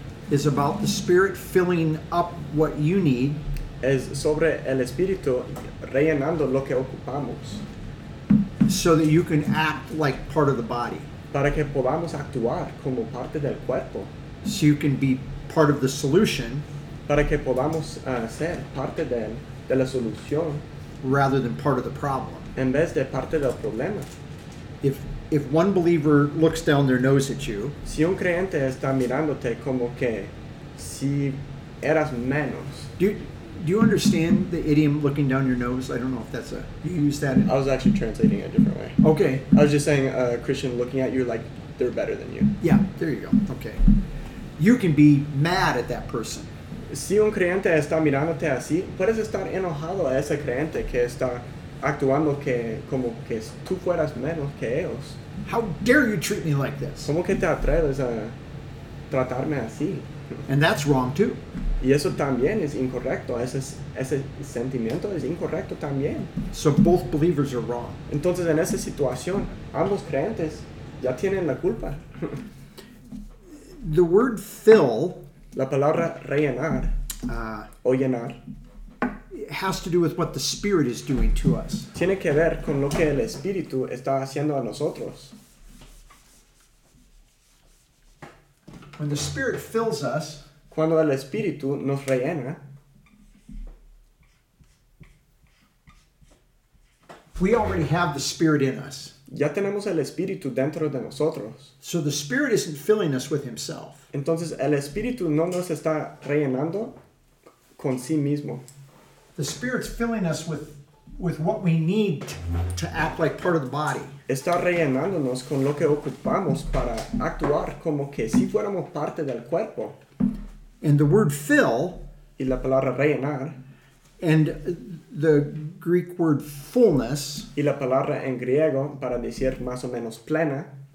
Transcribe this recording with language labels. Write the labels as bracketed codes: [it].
[en] Is about the Spirit filling up what you need. [es] Es sobre el Espíritu rellenando lo que ocupamos. [en] So that you can act like part of the body. [es] Para que podamos actuar como parte del cuerpo. [en] So you can be part of the solution. [es] Para que podamos ser parte de la solución. [en] Rather than part of the problem. [es] En vez de parte del problema. [en] If one believer looks down their nose at you. [es] Si un creyente está mirándote como que si eras menos. [en] Do you understand the idiom looking down your nose? I don't know if that's a, you use that in. I was actually translating it a different way. Okay. I was just saying a Christian looking at you like they're better than you. Yeah, there you go. Okay. You can be mad at that person. [es] Si un creyente está mirándote así, puedes estar enojado a ese creyente que está actuando que, como que tú fueras menos que ellos. [en] How dare you treat me like this? [es] ¿Cómo que te atreves a tratarme así? [en] And that's wrong too. [es] Y eso también es incorrecto. Ese sentimiento es incorrecto también. [en] So both believers are wrong. [es] Entonces en esa situación, ambos creyentes ya tienen la culpa. [en] The word fill. [es] La palabra rellenar, o llenar, [en] has to do with what the Spirit is doing to us. [es] Tiene que ver con lo que el Espíritu está haciendo a nosotros. [en] When the Spirit fills us, [es] cuando el Espíritu nos rellena, [en] we already have the Spirit in us. [es] Ya tenemos el Espíritu dentro de nosotros. [en] So the Spirit isn't filling us with himself. [es] Entonces el Espíritu no nos está rellenando con sí mismo. [en] The Spirit's filling us with what we need to act like part of the body. [es] Está rellenándonos con lo que ocupamos para actuar como que si fuéramos parte del cuerpo. [en] And the word fill, [es] y la palabra rellenar, [en] and the Greek word fullness, [es] y la palabra en griego para decir más o menos plena,